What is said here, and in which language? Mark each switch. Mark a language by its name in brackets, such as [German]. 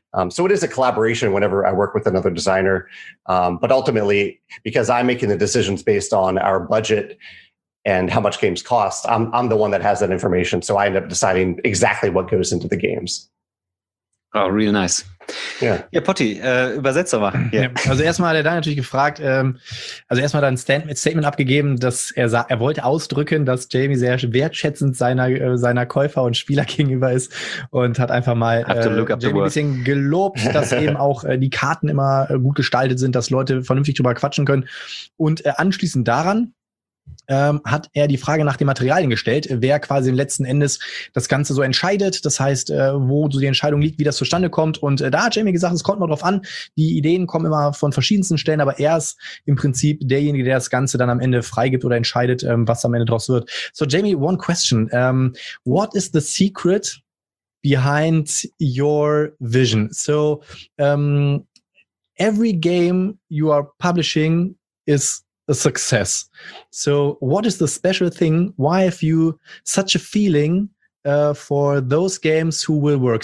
[English] So it is a collaboration whenever I work with another designer. But ultimately, because I'm making the decisions based on our budget and how much games cost, I'm the one that has that information. So I end up deciding exactly what goes into the games. Oh, real nice. Yeah. Yeah, Potti, [German] Übersetzer war. [English] Yeah. Yeah. [German] Also erstmal hat er da natürlich gefragt, erstmal hat er ein Statement abgegeben, dass er wollte ausdrücken, dass Jamie sehr wertschätzend seiner Käufer und Spieler gegenüber ist und hat einfach mal Jamie ein bisschen gelobt, dass eben auch die Karten immer gut gestaltet sind, dass Leute vernünftig drüber quatschen können. Und anschließend daran hat er die Frage nach den Materialien gestellt, wer quasi letzten Endes das Ganze so entscheidet, das heißt, wo so die Entscheidung liegt, wie das zustande kommt. Und da hat Jamie gesagt, es kommt mal drauf an, die Ideen kommen immer von verschiedensten Stellen, aber er ist im Prinzip derjenige, der das Ganze dann am Ende freigibt oder entscheidet, was am Ende draus wird. [English] So Jamie, one question. What is the secret behind your vision? So every game you are publishing is a success. So what is the special thing? Why have you such a feeling for those games who will work?